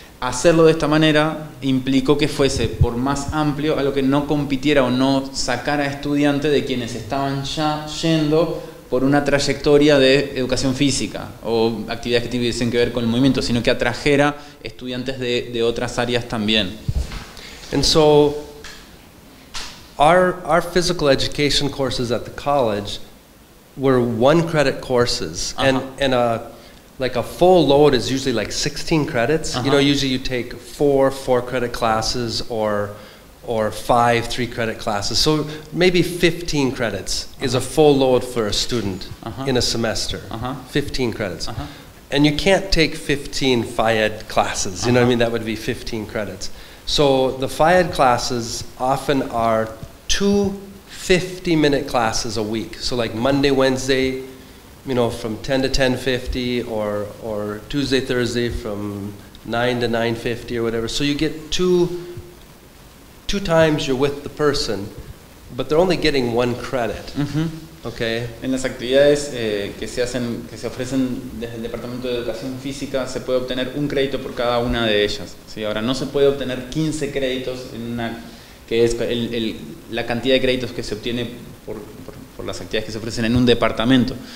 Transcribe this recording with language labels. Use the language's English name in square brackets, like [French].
[Spanish] Hacerlo de esta manera implicó que fuese por más amplio, algo que no compitiera o no sacara estudiante de quienes estaban ya yendo por una trayectoria de educación física o actividades que tuviesen que ver con el movimiento, sino que atrajera estudiantes de otras áreas también. [English] And so our physical education courses at the college were one credit courses. Uh-huh. And like a full load is usually like 16 credits. Uh-huh. You know, usually you take four credit classes or 5 3 credit classes. So maybe 15 credits uh-huh. is a full load for a student uh-huh. in a semester. Uh-huh. 15 credits. Uh-huh. And you can't take 15 FIED classes. Uh-huh. You know what I mean? That would be 15 credits. So the FIED classes often are 2 50-minute classes a week. So like Monday, Wednesday, you know, from 10 to 10:50, or Tuesday, Thursday from 9 to 9:50 or whatever. So you get two times you're with the person, but they're only getting one credit. Mm-hmm. Okay. [Spanish] En las actividades que se ofrecen desde el Departamento de Educación Física se puede obtener un crédito por cada una de ellas. Sí, ahora no se puede obtener 15 créditos en una que es la cantidad de créditos que se obtiene por las actividades que se ofrecen en un departamento.